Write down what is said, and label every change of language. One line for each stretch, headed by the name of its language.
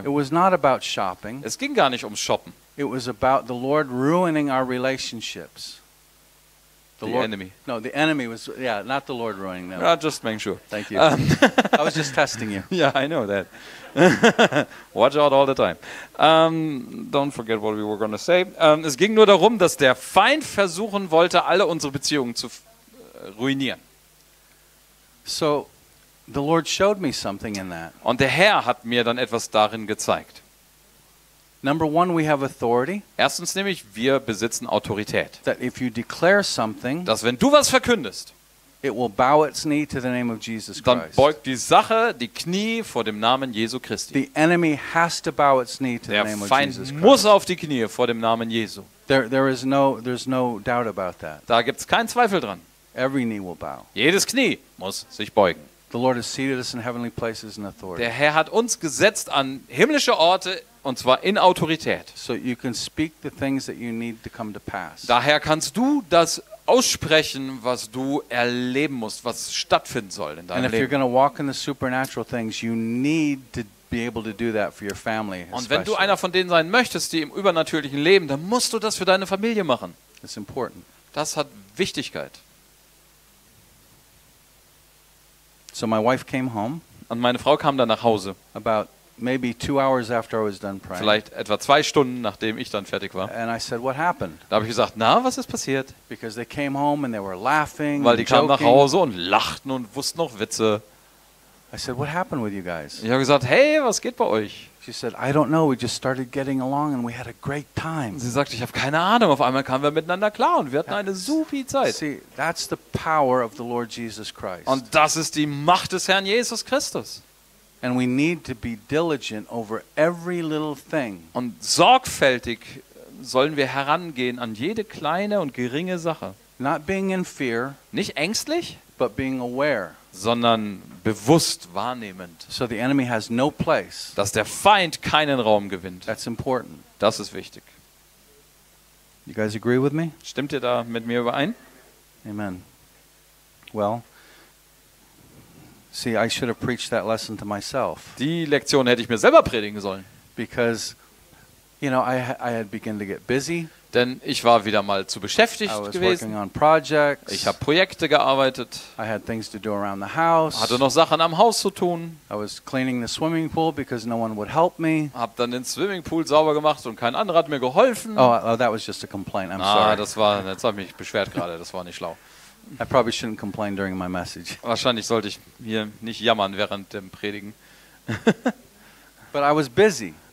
English: It was not about shopping.
German: Es ging gar nicht ums Shoppen.
English: It was about the Lord ruining our relationships. The enemy was, not the Lord ruining them. No, just making sure. Thank you. I was just testing you. Yeah, I know that. Watch out all the time. Don't forget what we were going to say.
German: Es ging nur darum, dass der Feind versuchen wollte, alle unsere Beziehungen zu ruinieren.
English: So, the Lord showed me something in that.
German: Und der Herr hat mir dann etwas darin gezeigt.
English: Number one, we have authority.
German: Erstens nämlich, wir besitzen Autorität.
English: That if you declare something,
German: dass wenn du was verkündest,
English: it will bow its knee to the name of Jesus Christ.
German: Dann beugt die Sache die Knie vor dem Namen Jesu Christi.
English: The enemy has to bow its knee to
German: der
English: the name
German: Feind
English: of Jesus Christ.
German: Muss auf die Knie vor dem Namen Jesu.
English: There's no doubt about that.
German: Da gibt's keinen Zweifel dran.
English: Every knee will bow.
German: Jedes Knie muss sich beugen.
English: The Lord has seated us in heavenly places in authority.
German: Der Herr hat uns gesetzt an himmlische Orte. Und zwar in Autorität.
English: So you can speak the things that you need to come to pass.
German: Daher kannst du das aussprechen, was du erleben musst, was stattfinden soll in deinem Leben.
English: And if you're going to walk in the supernatural things, you need to be able to do that for your family.
German: Und wenn du einer von denen sein möchtest, die im übernatürlichen Leben, dann musst du das für deine Familie machen.
English: It's important.
German: Das hat Wichtigkeit.
English: So my wife came home.
German: Und meine Frau kam dann nach Hause.
English: About maybe 2 hours after I was done praying.
German: Vielleicht etwa 2 Stunden nachdem ich dann fertig war.
English: And I said, what happened?
German: Da habe ich gesagt, na, was ist passiert?
English: Because they came home and they were laughing.
German: Weil die kamen nach Hause und lachten und wussten noch Witze.
English: I said, what happened with you guys?
German: Ich habe gesagt, hey, was geht bei euch?
English: She said, I don't know, we just started getting along and we had a great time.
German: Sie sagte, ich habe keine Ahnung, auf einmal kamen wir miteinander klar und wir hatten eine supi Zeit.
English: See, that's the power of the Lord Jesus Christ.
German: Und das ist die Macht des Herrn Jesus Christus.
English: And we need to be diligent over every little thing.
German: Und sorgfältig sollen wir herangehen an jede kleine und geringe Sache.
English: Not being in fear,
German: nicht ängstlich,
English: but being aware,
German: sondern bewusst wahrnehmend.
English: So the enemy has no place.
German: Dass der Feind keinen Raum gewinnt.
English: That's important.
German: Das ist wichtig.
English: You guys agree with me?
German: Stimmt ihr da mit mir überein?
English: Amen. Well, see, I should have preached that lesson to myself.
German: Die Lektion hätte ich mir selber predigen sollen.
English: Because, you know, I had begun to get busy.
German: Denn ich war wieder mal zu beschäftigt gewesen.
English: Working on projects.
German: Ich habe Projekte gearbeitet.
English: I had things to do around the house.
German: Hatte noch Sachen am Haus zu tun.
English: I was cleaning the swimming pool because no one would help me.
German: Hab dann den Swimmingpool sauber gemacht und kein anderer hat mir geholfen.
English: Oh, that was just a complaint. I'm sorry.
German: Das war, jetzt habe ich mich beschwert gerade. Das war nicht schlau.
English: I probably shouldn't complain during my message.
German: Wahrscheinlich sollte ich hier nicht jammern während dem Predigen.
English: But I was busy.